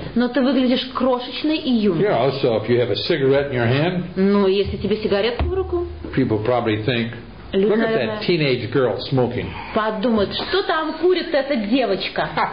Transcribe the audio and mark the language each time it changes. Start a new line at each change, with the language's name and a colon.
Russian: Но ты выглядишь крошечной и юной.
English: Yeah, also if you have a cigarette in your hand.
Russian: Ну, если тебе сигаретку в руку.
English: People probably think.
Russian: Люди,
English: look at that teenage girl smoking.
Russian: Подумают, что там курит эта девочка.